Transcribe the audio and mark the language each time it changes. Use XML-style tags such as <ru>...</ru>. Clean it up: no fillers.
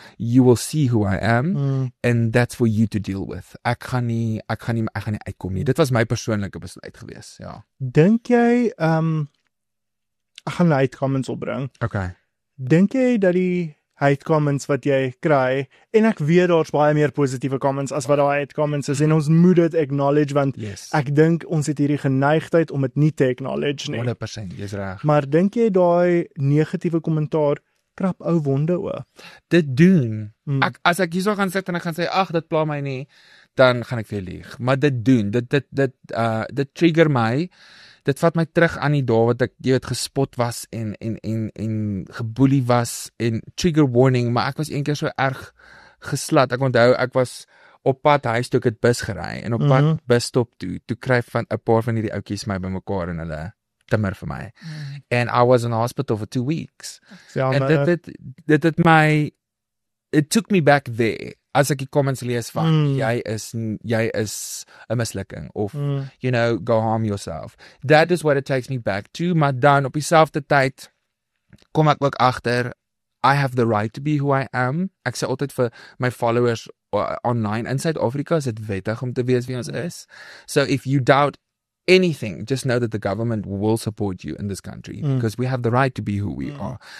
<en>You will see who I am, and that's for you to deal with.</en> <af>Ek gaan nie uitkom nie. Dit was my persoonlike besluit gewees, ja. Dink jy, ek gaan hate comments opbring. Okay. Dink jy dat die hate comments wat jy kry, en ek weet daar's baie meer positiewe comments as wat daai hate comments is, en ons moet dit acknowledge, want ek dink ons het hierdie geneigtheid om dit nie te acknowledge nie. 100%, jy's reg. Maar dink jy daai negatiewe kommentaar krap ou wonde oop? Dit doen. As ek hierso gaan sit en ek gaan sê, ag, dit pla my nie, dan gaan ek weer lieg. Maar dit doen, dit trigger my. Dit vat my terug aan die dae wat ek, jy weet, gespot was en geboelie was en trigger warning, maar ek was een keer so erg geslat. Ek onthou, ek was op pad huis toe ek het bus gery en op pad busstop toe, toe kry van 'n paar van hierdie oudjies my bymekaar en hulle timmer vir my.</af> <en>And I was in the hospital for 2 weeks. And</en> <af>dit my,</af> <en>it took me back there.</en> <af>As ek die comments lees van, jy is a mislukking, of,</af> <en>you know, go harm yourself. That is what it takes me back to.</en> <af>Maar dan, op dieselfde tyd, kom ek ook achter,</af> <en>I have the right to be who I am.</en> <af>Ek sê altyd vir my followers online, in Suid-Afrika is het wettig om te wees wie ons is.</af> <en>So if you doubt anything, just know that the government will support you in this country, because we have the right to be who we are.</en>